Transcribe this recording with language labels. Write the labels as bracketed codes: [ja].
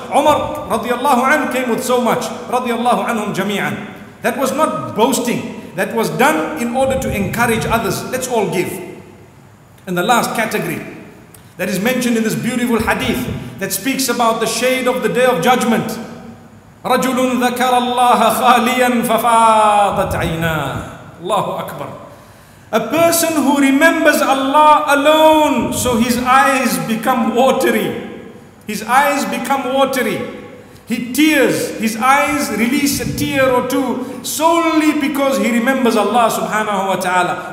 [en] Umar radiallahu anhu came with so much. Radiallahu anhum jami'an. That was not boasting. That was done in order to encourage others. Let's all give. And the last category that is mentioned in this beautiful hadith that speaks about the shade of the Day of Judgment. [ar] رَجُلٌ ذَكَرَ اللَّهَ خَالِيًا فَفَاضَتْ عَيْنَاهُ Allahu Akbar. [en] A person who remembers Allah alone, so his eyes become watery. His eyes become watery. He tears, his eyes release a tear or two solely because he remembers Allah subhanahu wa ta'ala.